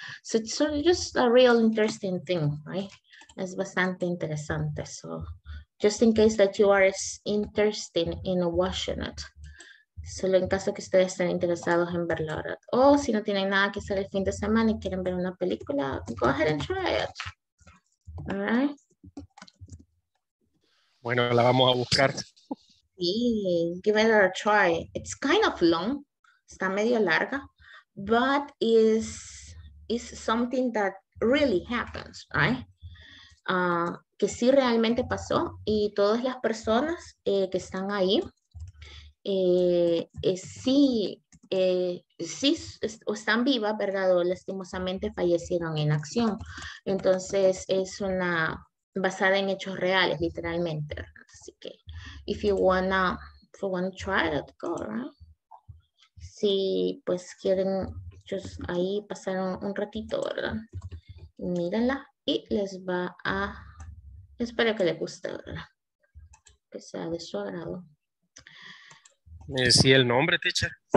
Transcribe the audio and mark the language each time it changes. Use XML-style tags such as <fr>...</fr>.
<en>So it's just a real interesting thing, right?</en> <es>Es bastante interesante.</es> <en>So just in case that you are interested in watching it.</en> <es>Solo en caso que ustedes estén interesados en verla, ¿verdad? O si no tienen nada que hacer el fin de semana y quieren ver una película,</es> <en>go ahead and try it.</en> <es>Alright. Bueno, la vamos a buscar.</es> <en>Sí, give it a try. It's kind of long.</en> <es>Está medio larga.</es> <en>But is something that really happens, right?</en> <es>Que sí realmente pasó. Y todas las personas que están ahí, sí, están vivas, ¿verdad? O lastimosamente fallecieron en acción. Entonces es una basada en hechos reales, literalmente. Así que,</es> <en>if you wanna try it, go, right?</en> <es>Si pues quieren, just ahí pasar un ratito, ¿verdad? Mírenla y les va a. Espero que les guste, ¿verdad? Que sea de su agrado. Sí, el nombre, Ticha.</es>